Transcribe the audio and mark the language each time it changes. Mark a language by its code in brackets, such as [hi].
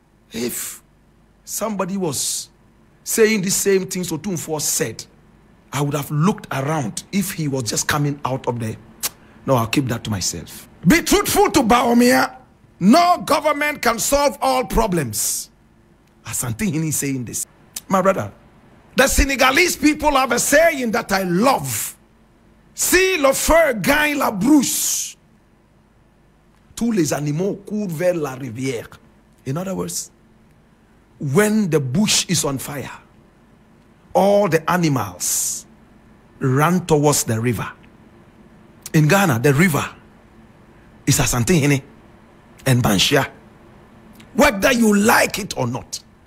[en] If somebody was saying the same things Otumfuo said, I would have looked around if he was just coming out of there. No, I'll keep that to myself. Be truthful to Bawumia. No government can solve all problems. Asantehene is saying this. My brother, the Senegalese people have a saying that I love. [fr] Si le feu gagne la brousse, tous les animaux courent vers la rivière. [en] In other words, when the bush is on fire, all the animals run towards the river. In Ghana, the river is Asantehene and Manhyia, whether you like it or not.